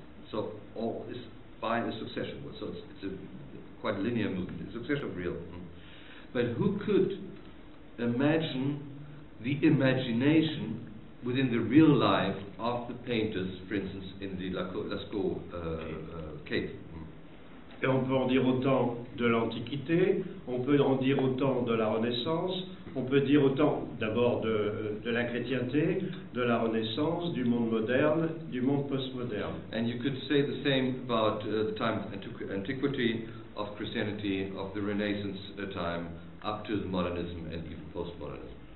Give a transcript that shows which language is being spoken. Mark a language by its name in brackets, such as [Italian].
[English] So all is by a succession, so it's a quite linear movement, a succession of real. But who could imagine the imagination within the real life of the painters, for instance, in the Lascaux cave? [French] Et on peut en dire autant de l'Antiquité, on peut en dire autant de la Renaissance, On peut dire autant d'abord de la chrétienté, de la Renaissance, du monde moderne, du monde postmoderne. [English] And you could say the same about the time of antiquity, of Christianity, of the Renaissance time, up to the modernism and even postmodernism.